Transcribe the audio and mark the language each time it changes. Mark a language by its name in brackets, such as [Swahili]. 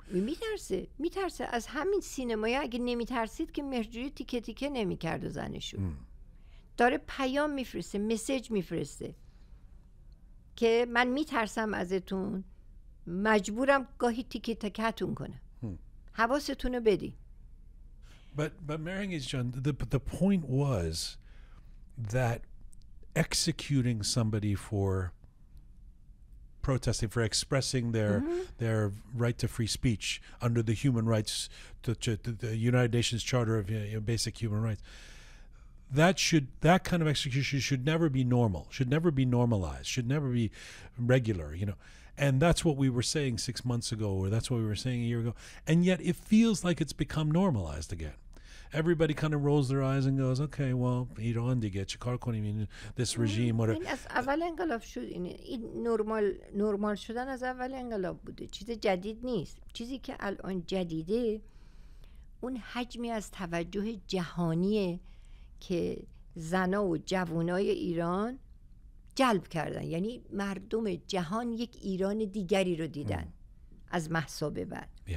[Persian] میترسه، میترسه از همین سینمایی. اگه نمیترسید که مهرجویی تیکه تیکه نمیکرد و زنشو داره پیام میفرسته، مسیج میفرسته که من میترسم ازتون، مجبورم گاهی تیکه تکتون کنه، حواستونو بدی. [English] But Mehrangiz جان, the point was that executing somebody for protesting, for expressing their their right to free speech under the human rights, the United Nations Charter of Basic Human Rights, that should, that kind of execution should never be normal, should never be normalized, should never be regular, you know. And that's what we were saying 6 months ago, or that's what we were saying a year ago, and yet it feels like it's become normalized again. Everybody kind of rolls their eyes and goes, okay, well, Iran [Persian] dige chikar konim [English] in this regime, whatever. [Persian] این از اول انقلاب شد، این نرمال شدن از اول انقلاب بوده، چیز جدید نیست. چیزی که الان جدیده اون حجمی از توجه جهانیه که زنا و جوانای ایران جلب کردن، یعنی مردم جهان یک ایران دیگری رو دیدن از مهسا به بعد.